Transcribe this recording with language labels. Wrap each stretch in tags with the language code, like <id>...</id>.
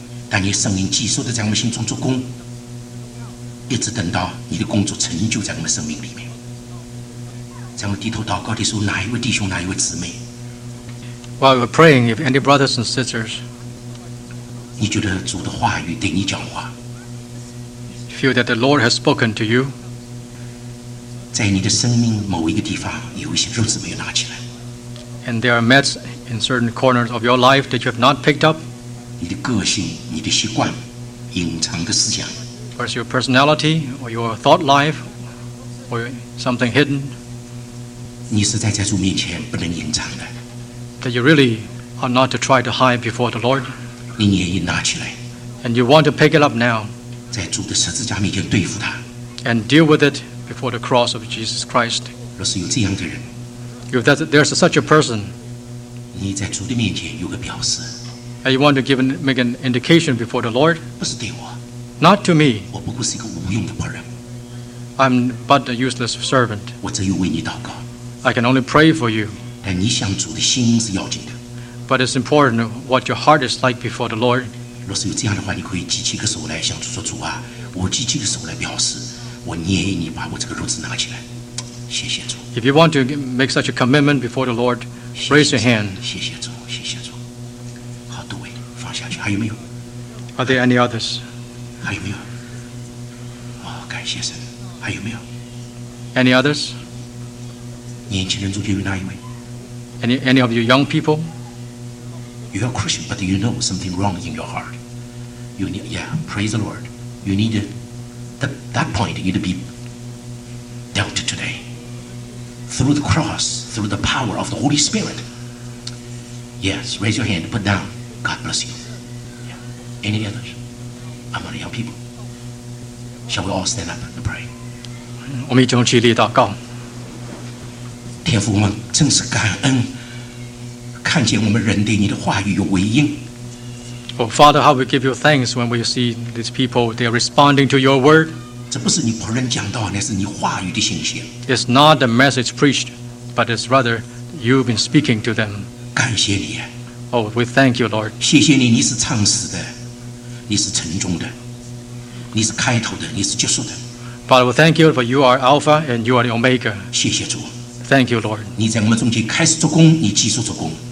<zh>但你圣灵继续的在我们心中做工，一直等到你的工作成就在我们生命里面。才会低头祷告的时候，哪一位弟兄，哪一位姊妹？</zh> <en>While we're praying, if any brothers and sisters,</en> <zh>你觉得主的话语对你讲话？</zh> <en>Feel that the Lord has spoken to you?</en> <zh>在你的生命某一个地方，有一些弟兄姊妹拿起来。</zh> <en>And there are mats in certain corners of your life that you have not picked up.</en> <zh>你的个性，你的习惯，隐藏的思想。</zh> <en>Or is your personality, or your thought life, or something hidden?</en> <zh>你实在在主面前不能隐藏的。</zh> <en>That you really are not to try to hide before the Lord.</en> <zh>你愿意拿起来。</zh> <en>And you want to pick it up now.</en> <zh>在主的十字架面前对付它。</zh> <en>And deal with it before the cross of Jesus Christ.</en> <zh>若是有这样的人。</zh> <en>If there's such a person,</en> <zh>你在主的面前有个表示。</zh> <en>And you want to make an indication before the Lord.</en> <zh>不是对我。</zh> <en>Not to me.</en> <zh>我不过是一个无用的仆人。</zh> <en>I'm but a useless servant.</en> <zh>我只有为你祷告。</zh> <en>I can only pray for you.</en> <zh>但你向主的心是要紧的。</zh> <en>But it's important what your heart is like before the Lord.</en> <zh>若是有这样的话，你可以举起个手来向主说：“主啊，我举起个手来表示，我愿意你把我这个炉子拿起来。” 谢谢主。</zh> <en>If you want to make such a commitment before the Lord, raise your hand.</en> <zh>谢谢主，谢谢主。好，杜伟，放下去。还有没有？</zh> <en>Are there any others?</en> <zh>还有没有？哦，感谢神。还有没有？</zh> <en>Any others?</en> <zh>年轻人中间有哪一位？</zh> <en>Any of you young people? You are Christian, but you know something wrong in your heart. You need, yeah, praise the Lord. You need that point. You need to be dealt today. Through the cross, through the power of the Holy Spirit. Yes, raise your hand, put down. God bless you. Yeah. Any others? Among the young people? Shall we all stand up and pray?</en> <zh>我们一同起立祷告。天父，我们真是感恩，看见我们人对你的话语有回应。</zh> <en>Oh Father, how we give you thanks when we see these people, they are responding to your word.</en> <zh>这不是你仆人讲道，那是你话语的信息。</zh> <en>It's not the message preached, but it's rather you've been speaking to them.</en> <zh>感谢你。</zh> <en>Oh, we thank you, Lord.</en> <zh>谢谢你，你是创始的，你是成终的，你是开头的，你是结束的。</zh> <en>Father, we thank you for you are Alpha and you are the Omega.</en> <zh>谢谢主。</zh> <en>Thank you, Lord.</en> <zh>你在我们中间开始做工，你继续做工。</zh>